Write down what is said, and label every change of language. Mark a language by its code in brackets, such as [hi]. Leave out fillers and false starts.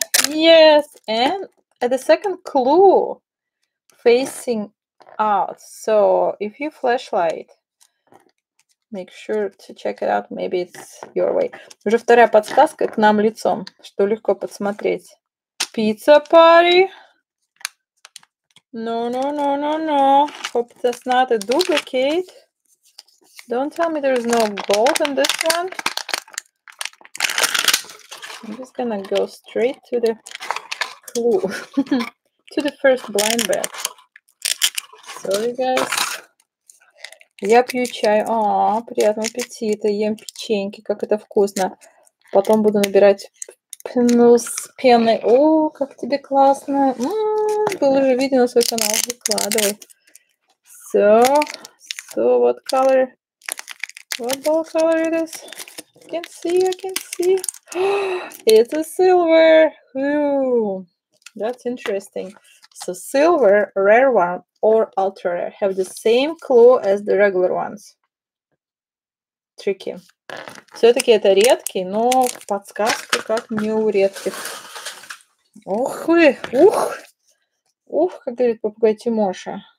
[en] Yes, and at the second clue, facing out. So if you flashlight make sure to check it out. Maybe it's your way. [ru] Уже вторая подсказка к нам лицом, что легко подсмотреть. [en] Pizza party. No, no, no, no, no. Hope that's not a duplicate. Don't tell me there's no gold in this one. I'm just gonna go straight to the clue. To the first blind bag. Sorry, guys. [ru] Я пью чай. О, приятного аппетита. Ем печеньки. Как это вкусно. Потом буду набирать с пеной. О, как тебе классно. Было же видео на свой канал. Выкладывай. [en] So, so, what color? What ball color it is? I can see, I can see. It's a silver. Ooh, that's interesting. So silver, rare one, or ultra rare have the same clue as the regular ones. Tricky. [ru] Все-таки это редкий, но подсказка как не у редких. Ох вы, ух. Ух, как говорит попугай Тимоша.